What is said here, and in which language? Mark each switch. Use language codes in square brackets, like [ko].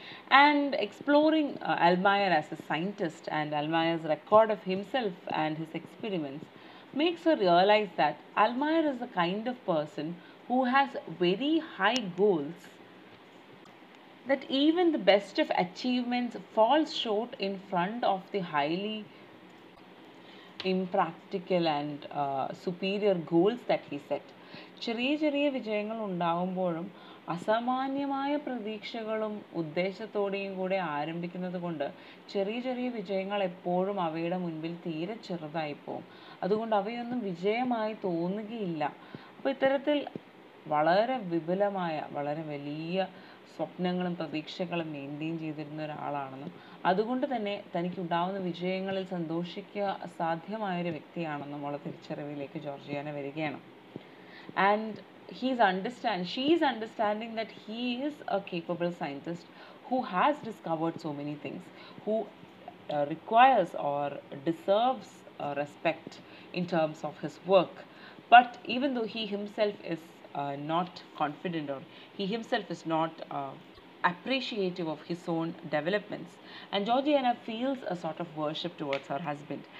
[en] And exploring Almaya as a scientist and Almaya's record of himself and his experiments makes her realize that Almaya is the kind of person who has very high goals, that even the best of achievements falls short in front of the highly impractical and superior goals that he set. [ml] ചെറിയ ചെറിയ വിജയങ്ങൾ ഉണ്ടാകുമ്പോഴും അസാമാന്യമായ പ്രതീക്ഷകളും ഉദ്ദേശത്തോടെയും കൂടെ ആരംഭിക്കുന്നത് കൊണ്ട് ചെറിയ ചെറിയ വിജയങ്ങൾ എപ്പോഴും അവയുടെ മുൻപിൽ തീരെ ചെറുതായിപ്പോവും. അതുകൊണ്ട് അവയൊന്നും വിജയമായി തോന്നുകയില്ല. അപ്പോൾ ഇത്തരത്തിൽ വളരെ വിപുലമായ വളരെ വലിയ സ്വപ്നങ്ങളും പ്രതീക്ഷകളും മെയിൻറ്റെയിൻ ചെയ്തിരുന്ന ഒരാളാണെന്നും അതുകൊണ്ട് തന്നെ തനിക്കുണ്ടാവുന്ന വിജയങ്ങളിൽ സന്തോഷിക്കുക സാധ്യമായൊരു വ്യക്തിയാണെന്നും ഉള്ള തിരിച്ചറിവിലേക്ക് ജോർജിയാന വരികയാണ്. [en] And she is understanding that he is a capable scientist who has discovered so many things, who requires or deserves respect in terms of his work. But even though he himself is not confident, or he himself is not appreciative of his own developments, and Georgiana feels a sort of worship towards her husband.